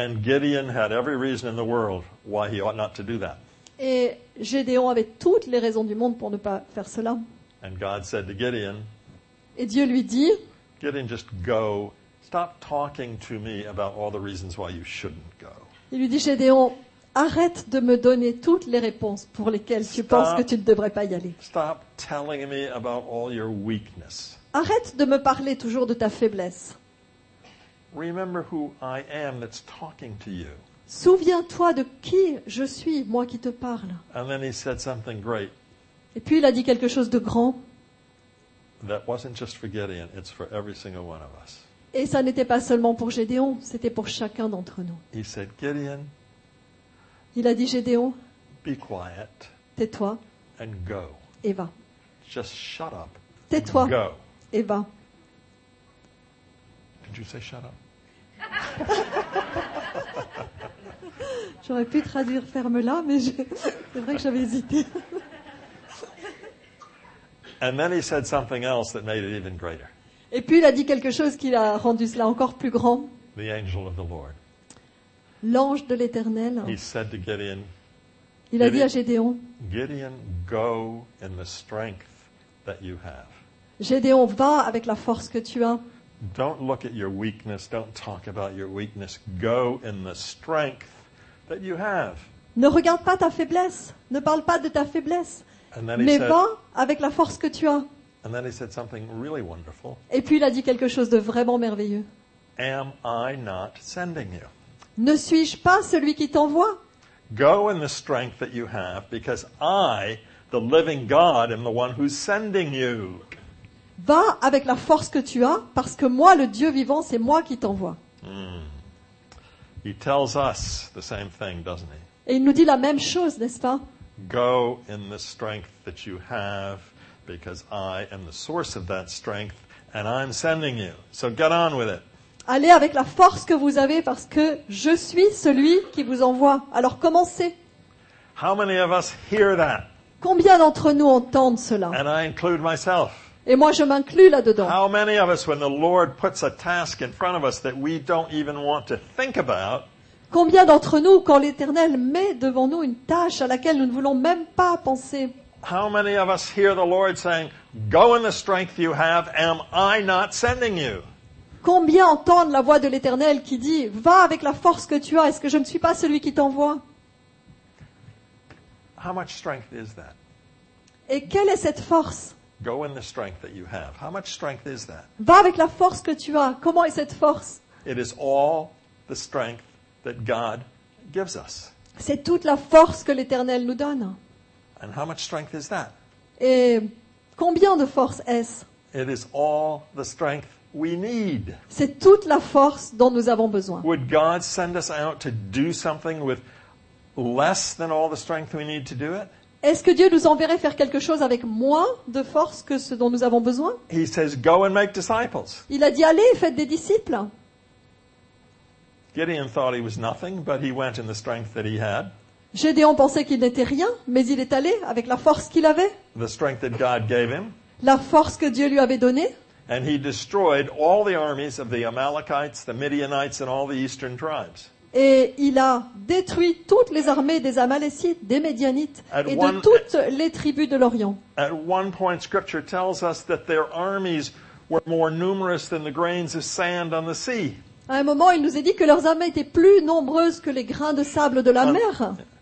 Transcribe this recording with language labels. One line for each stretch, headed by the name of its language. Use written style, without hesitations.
English: And Gideon had every reason in the world why he ought not to do that.
French: Et Gédéon avait toutes les raisons du monde pour ne pas faire cela.
English: And God said to Gideon,
French: et Dieu lui dit,
English: Gideon, just go. Stop talking to me about all the reasons why you shouldn't go.
French: Il lui dit, Gédéon, arrête de me donner toutes les réponses pour lesquelles tu penses que tu ne devrais pas y aller.
English: Stop telling me about all your weakness.
French: Arrête de me parler toujours de ta faiblesse.
English: Remember who I am that's talking to you.
French: Souviens-toi de qui je suis, moi qui te parle.
English: And then he said something great.
French: Et puis il a dit quelque chose de grand.
English: That wasn't just for Gideon, it's for every single one of us.
French: Et ça n'était pas seulement pour Gédéon, c'était pour chacun d'entre nous.
English: He said, Gideon,
French: il a dit, Gédéon,
English: be quiet,
French: tais-toi
English: and go.
French: Et va.
English: Just shut up.
French: Tais-toi
English: and go.
French: Et va.
English: Did you say shut up?
French: J'aurais pu traduire ferme-la, mais c'est vrai que j'avais hésité.
English: And then he said something else that made it even greater.
French: Et puis il a dit quelque chose qui l'a rendu cela encore plus grand.
English: The angel of the Lord.
French: L'ange de l'Éternel.
English: He said to Gideon,
French: il a dit à Gédéon,
English: Gideon, go in the strength that you have.
French: Gédéon, va avec la force que tu as.
English: Don't look at your weakness, don't talk about your weakness. Go in the strength that you have.
French: Ne regarde pas ta faiblesse. Ne parle pas de ta faiblesse. Mais va avec la force que tu as.
English: And then he said something really wonderful.
French: Et puis il a dit quelque chose de vraiment merveilleux.
English: Am I not sending you?
French: Ne suis-je pas celui qui t'envoie?
English: Go in the strength that you have, because I, the living God, am the one who's sending you.
French: Va avec la force que tu as, parce que moi, le Dieu vivant, c'est moi qui t'envoie.
English: He tells us the same thing, doesn't he?
French: Et il nous dit la même chose, n'est-ce pas?
English: Go in the strength that you have, because I am the source of that strength, and I'm sending you. So get on with it.
French: Allez avec la force que vous avez, parce que je suis celui qui vous envoie. Alors commencez.
English: How many of us hear that?
French: Combien d'entre nous entendent cela?
English: And I include myself.
French: Et moi, je m'inclus là-dedans.
English: How many of us, when the Lord puts a task in front of us that we don't even want to think about?
French: Combien d'entre nous, quand l'Éternel met devant nous une tâche à laquelle nous ne voulons même pas penser?
English: How many of us hear the Lord saying, "Go in the strength you have. Am I not sending you?"
French: Combien entendent la voix de l'Éternel qui dit, "Va avec la force que tu as. Est-ce que je ne suis pas celui qui t'envoie?"
English: How much strength is that?
French: Et quelle est cette force?
English: Go in the strength that you have. How much strength is that?
French: Va avec la force que tu as. Comment est cette force?
English: It is all the strength that God gives us.
French: C'est toute la force que l'Éternel nous donne.
English: And how much strength is that?
French: Et combien de force est-ce?
English: It is all the strength we need.
French: C'est toute la force dont nous avons besoin.
English: Would God send us out to do something with less than all the strength we need to do it?
French: Est-ce que Dieu nous enverrait faire quelque chose avec moins de force que ce dont nous avons besoin?
English: He says, go and make disciples.
French: Il a dit, allez, faites des disciples.
English: Gideon thought he was nothing, but he went in the strength that he had.
French: Gédéon pensait qu'il n'était rien, mais il est allé avec la force qu'il avait.
English: The strength that God gave him.
French: La force que Dieu lui avait donnée.
English: And he destroyed all the armies of the Amalekites, the Midianites, and all the eastern tribes.
French: Et il a détruit toutes les armées des Amalécites, des Médianites et de toutes les tribus de l'Orient.
English: At one point, Scripture tells us that their armies were more numerous than the grains of sand on the sea.
French: À un moment, il nous est dit que leurs armées étaient plus nombreuses que les grains de sable de la mer.